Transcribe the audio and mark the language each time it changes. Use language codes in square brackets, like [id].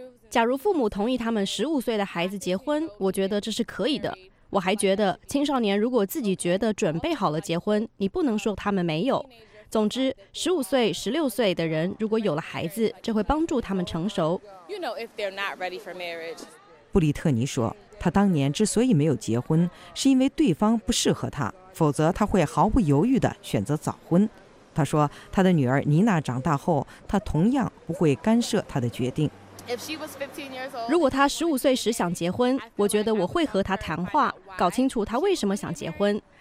[zh] 假如父母同意他们15岁的孩子结婚，我觉得这是可以的。我还觉得青少年如果自己觉得准备好了结婚，你不能说他们没有。总之，十五岁、十六岁的人如果有了孩子，这会帮助他们成熟。 [en] You know, if they're not ready for marriage. [zh] 布里特尼说，他当年之所以没有结婚，是因为对方不适合他，否则他会毫不犹豫地选择早婚。他说，他的女儿妮娜长大后，他同样不会干涉他的决定。如果她十五岁时想结婚，我觉得我会和她谈话，搞清楚她为什么想结婚。